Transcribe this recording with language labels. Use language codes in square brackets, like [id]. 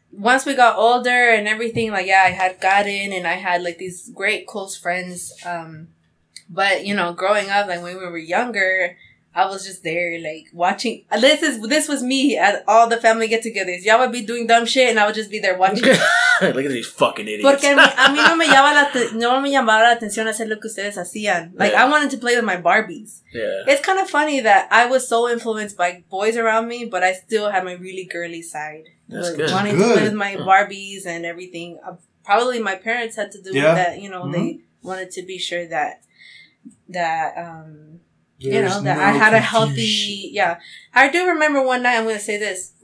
[en] once we got older and everything, like, yeah, I had gotten and I had, like, these great close friends. But, you know, growing up, like, when we were younger, I was just there, like, watching. This was me at all the family get-togethers. Y'all would be doing dumb shit, and I would just be there watching. Look at these fucking idiots. [es] Porque a mí no me llamaba la atención hacer lo que ustedes hacían. [en] Like, yeah. I wanted to play with my Barbies. Yeah. It's kind of funny that I was so influenced by boys around me, but I still had my really girly side. That's good. Wanting good. To play with my Barbies and everything. Probably my parents had to do yeah. with that, you know, mm-hmm. they wanted to be sure that I do remember one night, I'm going to say this.